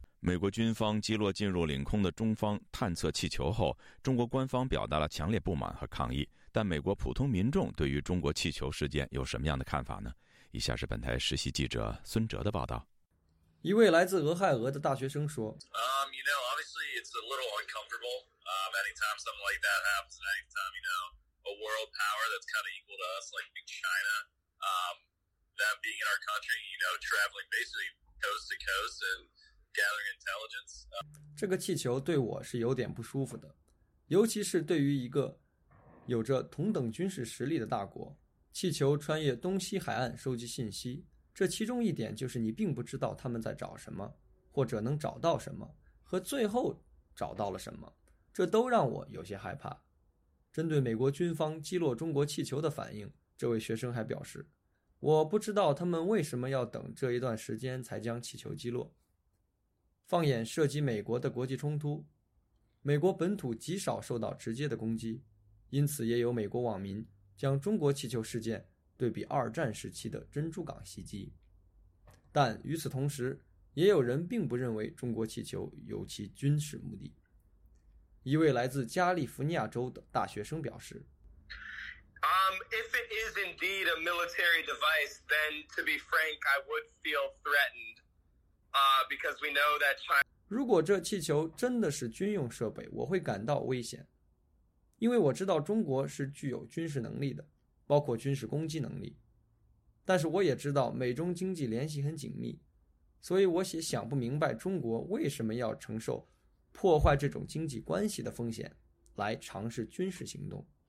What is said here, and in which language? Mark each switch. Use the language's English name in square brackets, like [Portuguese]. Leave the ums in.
[Chinese] 美国军方击落进入领空的中方探测气球后，中国官方表达了强烈不满和抗议。但美国普通民众对于中国气球事件有什么样的看法呢？以下是本台实习记者孙哲的报道。一位来自俄亥俄的大学生说。 [English] it's a little uncomfortable. Um, anytime something like that happens, anytime you know a world power that's kind of equal to us, like China, um, them being in our country, you know, traveling basically coast to coast and gathering intelligence. [Chinese] Uh, 这个气球对我是有点不舒服的，尤其是对于一个有着同等军事实力的大国，气球穿越东西海岸收集信息，这其中一点就是你并不知道他们在找什么，或者能找到什么。和最后找到了什么，这都让我有些害怕。针对美国军方击落中国气球的反应，这位学生还表示：“我不知道他们为什么要等这一段时间才将气球击落。 ”放眼涉及美国的国际冲突，美国本土极少受到直接的攻击，因此也有美国网民将中国气球事件对比二战时期的珍珠港袭击。但与此同时，也有人并不认为中国气球有其军事目的。一位来自加利福尼亚州的大学生表示 [English] ：“If u m it is indeed a military device, then to be frank, I would feel threatened uh, because we know that China。 [Chinese] 如果这气球真的是军用设备，我会感到危险，因为我知道中国是具有军事能力的，包括军事攻击能力。但是我也知道美中经济联系很紧密。”所以我也想不明白，中国为什么要承受破坏这种经济关系的风险来尝试军事行动？